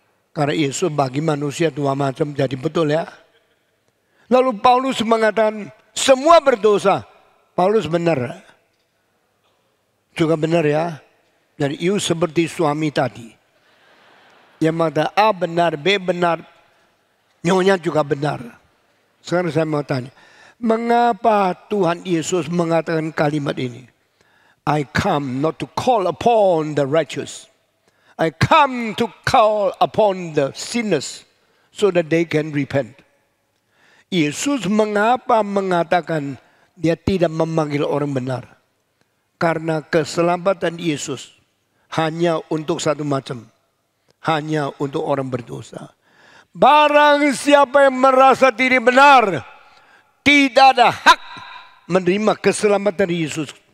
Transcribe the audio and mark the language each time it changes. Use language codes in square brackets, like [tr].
[id] Karena Yesus bagi manusia dua macam, jadi betul ya. Lalu Paulus mengatakan, semua berdosa. Paulus benar. Juga benar ya. Jadi you seperti suami tadi. Yang mengatakan A benar, B benar. Nyonya juga benar. Sekarang saya mau tanya. Mengapa Tuhan Yesus mengatakan kalimat ini? [en] I come not to call upon the righteous. I come to call upon the sinners so that they can repent. [id] Yesus mengapa mengatakan dia tidak memanggil orang benar? Karena keselamatan Yesus hanya untuk satu macam. hanya untuk orang berdosa. Barang siapa yang merasa diri benar, tidak ada hak menerima keselamatan dari Yesus.